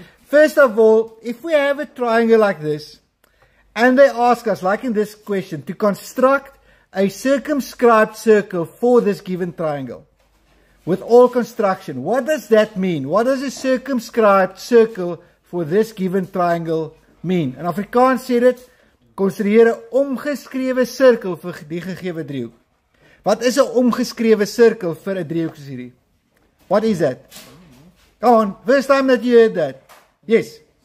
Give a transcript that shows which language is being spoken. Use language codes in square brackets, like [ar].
[en] First of all, if we have a triangle like this, and they ask us, like in this question, to construct a circumscribed circle for this given triangle with all construction, what does that mean? What does a circumscribed circle for this given triangle mean? [af] In Afrikaans sê dit, konstrueer 'n omgeskrewe sirkel vir die gegewe driehoek. Wat is 'n omgeskrewe sirkel vir 'n driehoek soos hierdie? [en] What is that? Come on, first time that you heard that. Yes.